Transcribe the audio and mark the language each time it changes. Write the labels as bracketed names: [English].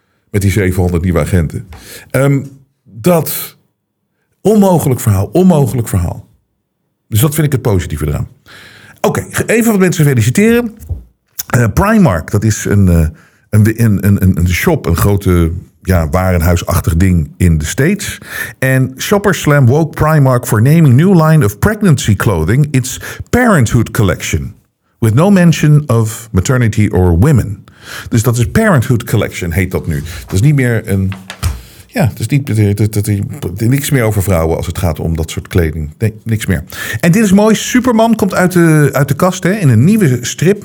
[Dutch] Met die 700 nieuwe agenten. Dat onmogelijk verhaal, onmogelijk verhaal. Dus dat vind ik het positieve eraan. Oké, even wat mensen feliciteren. Primark, dat is een shop, een grote ja, warenhuisachtig ding in de States. [English] En Shoppers Slam woke Primark for naming new line of pregnancy clothing its Parenthood Collection. With no mention of maternity or women. [Dutch] Dus dat is Parenthood Collection, heet dat nu. Dat is niet meer een, Ja, het is niet, niks meer over vrouwen als het gaat om dat soort kleding. Nee, niks meer. En dit is mooi. Superman komt uit de kast, hè, in een nieuwe strip.